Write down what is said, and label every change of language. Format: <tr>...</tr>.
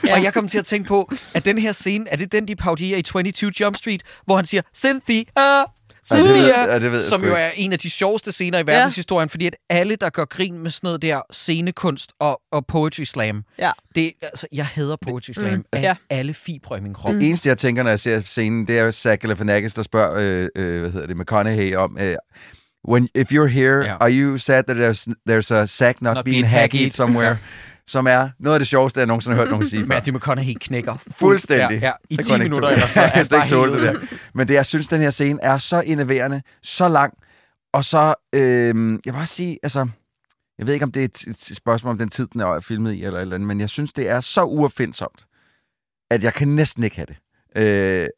<da>Og jeg kom til at tænke på, at den her scene, er det den, de parodierer i 22 Jump Street, hvor han siger, Cynthia, som jo er en af de sjoveste scener i verdenshistorien, fordi at alle, der gør grin med sådan noget der scenekunst og poetry slam, det, altså, jeg hader poetry slam alle fibre i min krop. Det eneste, jeg tænker, når jeg ser scenen, det er Zach Galifianakis, der spørger, McConaughey om...</da> <en>If you're here, are you sad that there's a sack not being hacked somewhere?</en> <da>Som er noget af det sjoveste, jeg nogensinde har hørt nogen sige før. Matthew McConaughey knækker fuldstændig. I 10 minutter. Jeg kan ikke tåle det der. Men det, jeg synes, den her scene er så innoverende, så lang, og så, jeg vil bare sige, altså, jeg ved ikke, om det er et spørgsmål om den tid, den er filmet i, eller et eller andet, men jeg synes, det er så uopfindsomt, at jeg kan næsten ikke have det.</da>